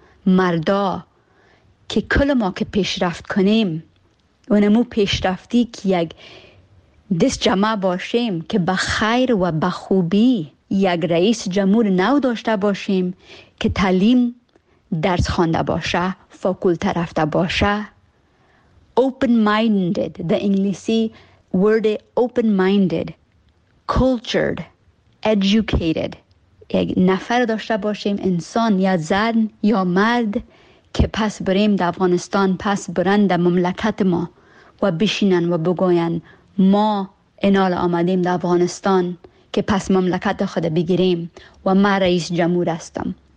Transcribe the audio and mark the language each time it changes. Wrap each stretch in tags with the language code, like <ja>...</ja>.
<fa>مردا که کل ما که پیشرفت کنیم اونمو پیشرفتی که یک دست جمع باشیم که به خیر و به خوبی یک رئیس جمهور نو داشته باشیم که تعلیم درس خوانده باشه، فاکولته رفته باشه.</fa> <en>Open-minded, the English word open-minded, cultured, educated.</en> <fa>یک نفر داشته باشیم، انسان یا زن یا مرد، که پس بریم در افغانستان، پس برن در مملکت ما و بشینن و بگوین ما انال آمدیم در افغانستان که پس مملکت خود بگیریم و ما رئیس جمهور هستم.</fa>